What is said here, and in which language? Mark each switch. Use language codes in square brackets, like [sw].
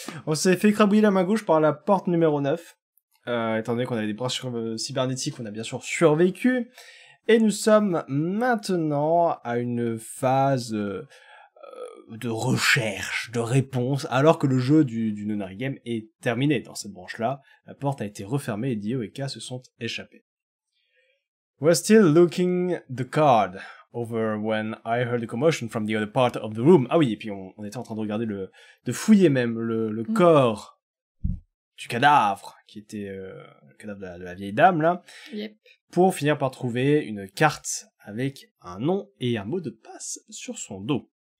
[fr] On s'est fait écrabouiller la main gauche par la porte numéro 9. Étant donné qu'on avait des brassures cybernétiques, on a bien sûr survécu. Et nous sommes maintenant à une phase de recherche, de réponse, alors que le jeu du Nonary Game est terminé. Dans cette branche-là, la porte a été refermée et Dio et K se sont échappés. [en] We're still looking the card over when I heard a commotion from the other part of the room. [fr] Ah oui, et puis on était en train de regarder de fouiller même le corps du cadavre, qui était le cadavre de la vieille dame, là. [en] Yep. [fr] Pour finir par trouver une carte avec un nom et un mot de passe sur son dos.